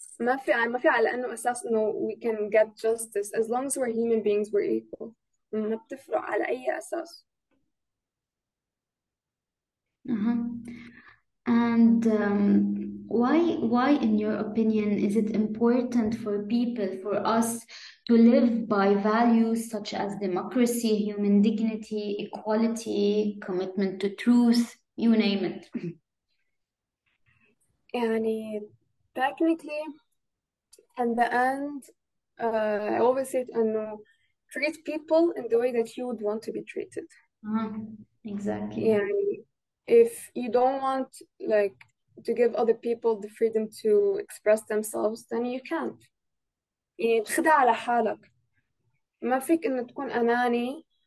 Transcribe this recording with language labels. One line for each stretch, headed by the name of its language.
Arabic: ما في على أنه أساس إنه
English: we can get justice. As long as we're human beings, we're equal.
Arabic: ما بتفرق على أي أساس.
English: And Why, in your opinion, is it important for people, for us, to live by values such as democracy, human dignity, equality, commitment to truth, you name it? يعني technically in the end I always said انه treat people in the way that you would want to be treated. Exactly. يعني if you don't want like to give other people the freedom to express themselves then you can't.
Arabic: يعني تخدع على حالك, ما فيك انه تكون اناني.